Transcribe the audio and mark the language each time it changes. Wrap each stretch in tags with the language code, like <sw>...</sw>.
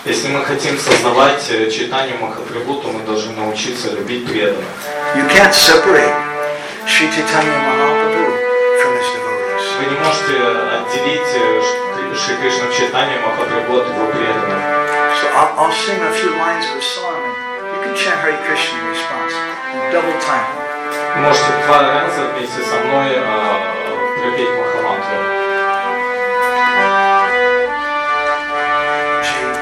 <ru>Если мы хотим сознавать Чайтанью Махапрабху, то мы должны научиться любить преданных.</ru> <en>You can't separate Sri Chaitanya Mahaprabhu from his devotees.</en> <ru>Вы не можете отделить Шри Кришна Чайтанья Махапрабху от его преданных.</ru> <en>So I'll sing a few lines of a song. You can chant Hare Krishna in response. Double time.</en> <ru>Можете два раза вместе со мной пропеть Махамантру.</ru>